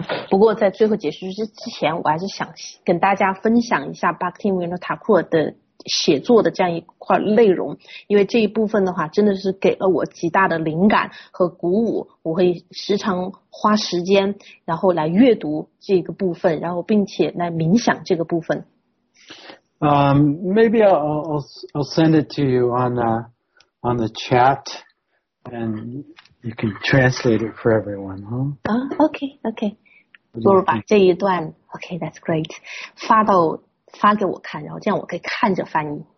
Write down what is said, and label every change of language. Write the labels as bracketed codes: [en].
[zh] 不过在最后结束之前，我还是想跟大家分享一下 Bhaktivinoda Thakur 的写作的这样一块内容，因为这一部分的话真的是给了我极大的灵感和鼓舞，我会时常花时间然后来阅读这个部分，然后并且来冥想这个部分。 [en] Maybe I'll send it to you on the chat, and you can translate it for everyone, huh? Okay. [zh] 不如把这一段 [en] ，Okay, that's great. [zh] 发给我看，然后这样我可以看着翻译。